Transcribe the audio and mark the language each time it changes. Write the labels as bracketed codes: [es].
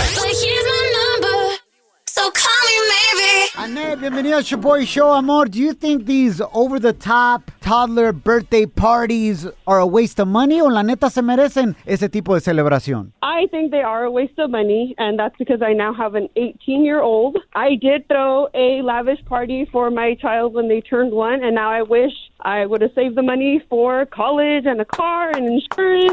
[en] But here's my number, so call me maybe. [es] Anet, bienvenido a Shaboy Show, amor. [en] Do you think these over-the-top toddler birthday parties are a waste of money? [es] ¿O la neta se merecen ese tipo de celebración? [en] I think they are a waste of money, and that's because I now have an 18-year-old. I did throw a lavish party for my child when they turned one, and now I wish I would have saved the money for college and a car and insurance.